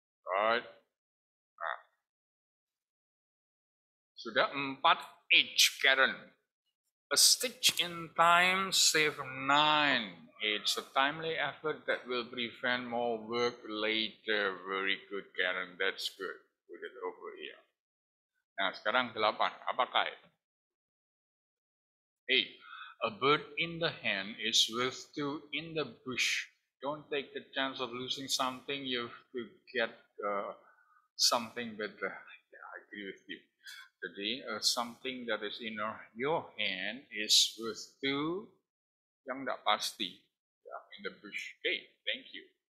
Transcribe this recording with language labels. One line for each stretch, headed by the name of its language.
English: Right. Nah.
Indonesian: Sudah
English: 4H, Karen. A stitch in time save 9. It's a timely effort that will prevent more work later. Very good, Karen. That's good. Put it over here.
Indonesian: Nah, sekarang 8. Apakah itu? 8.
English: A bird in the hand is worth two in the bush. Don't take the chance of losing something you to get something better. Yeah, I agree with you. Jadi, something that is in your hand is worth two
Indonesian: yang tidak pasti.
English: Yeah, in the bush. Okay, thank you.